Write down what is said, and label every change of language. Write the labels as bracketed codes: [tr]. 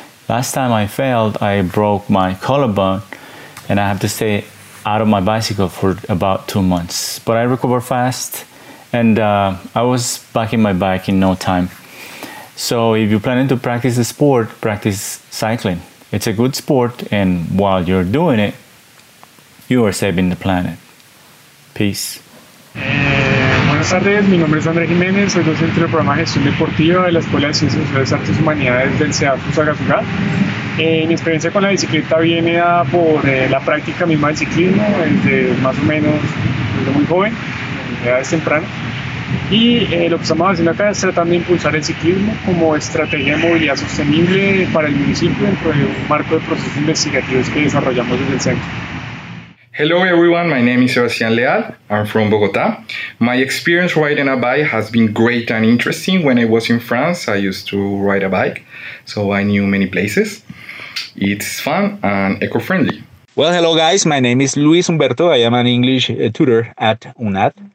[en] Last time I failed, I broke my collarbone and I have to stay out of my bicycle for about 2 months. But I recovered fast and I was back in my bike in no time. So if you're planning to practice the sport, practice cycling. It's a good sport, and while you're doing it, you are saving the planet. Peace. [es] Buenas tardes, mi nombre es André Jiménez, soy docente del programa de gestión deportiva de la Escuela de Ciencias Sociales, Artes y Humanidades del CEAF Fusagasugá. Mi experiencia con la bicicleta viene dada por la práctica misma del ciclismo, desde más o menos desde muy joven, de edades tempranas. Y lo que estamos haciendo acá es tratando de impulsar el ciclismo como estrategia de movilidad sostenible para el municipio dentro de un marco de procesos investigativos que desarrollamos desde el centro. [en] Hello everyone, my name is Sebastián Leal, I'm from Bogotá. My experience riding a bike has been great and interesting. When I was in France, I used to ride a bike, so I knew many places. It's fun and eco-friendly. Well, hello guys, my name is Luis Humberto, I am an English tutor at UNAD.